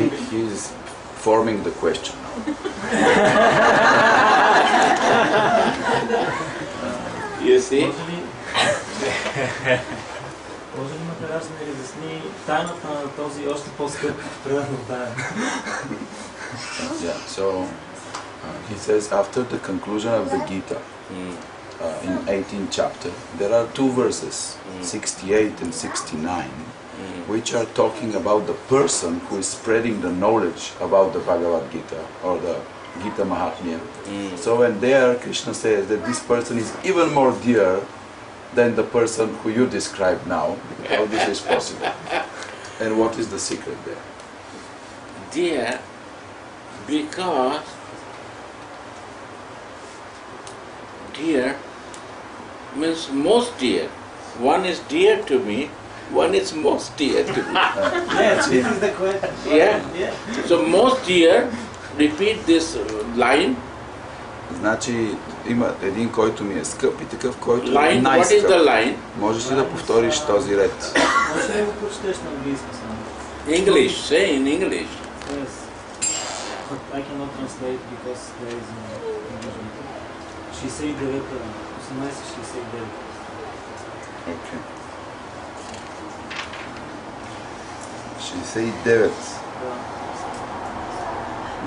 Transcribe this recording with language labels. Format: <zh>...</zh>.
<en>He is forming the question. You see?</en> <bg>Може ли Махарадж да ни разясни тайната на този още по-скъп предан от тая?</bg> <en>Yeah, so he says after the conclusion of the Gita in 18th chapter, there are two verses, 68 and 69, which are talking about the person who is spreading the knowledge about the Bhagavad Gita or the Gita Mahatmya. So when there Krishna says that this person is even more dear than the person who you describe now, how this is possible? And what is the secret there? Dear. Because dear, means most dear. One is dear to me, one is most dear to me. Yes, this is the question. Yeah. So most dear, repeat this line.</en> <bg>Значи има един който ми е скъп и такъв който е най-скъп.</bg> <en>What is the line?</en> <bg>Можеш ли да повториш този ред? Може да го прочетеш на английски само.</bg> <en>English, say in English. Yes. But I cannot translate because there is no English. She said the letter. It's nice she said the letter. Okay. She said the letter.</en>